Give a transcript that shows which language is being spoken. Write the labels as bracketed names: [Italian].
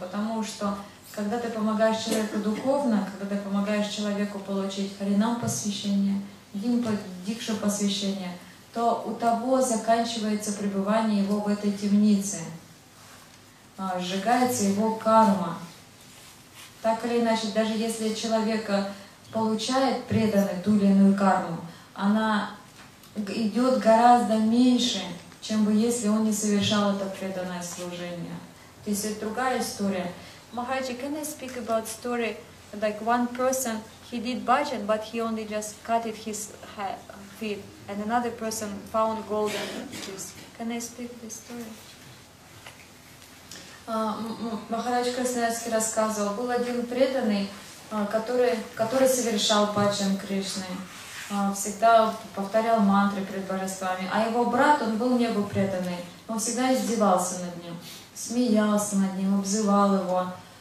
[Russian] Потому что когда ты помогаешь человеку духовно, когда ты помогаешь человеку получить харинам посвящение, дикшу посвящение, то у того заканчивается пребывание его в этой темнице, сжигается его карма. Так или иначе, даже если человек получает преданную ту или иную карму, она идет гораздо меньше, чем бы если он не совершал это преданное служение. То есть это другая история. [English] Maharaji, can I speak about story, like one person, he did bhajan, but he only just cut his feet, and another person found gold in this. Can I speak this story? [Russian] Maharaj Krasnayarsky рассказывал, был один преданный, который совершал бхаджан Кришны, всегда повторял мантры перед божествами, а его брат, он был небу преданный, он всегда издевался над ним, смеялся над ним, обзывал его.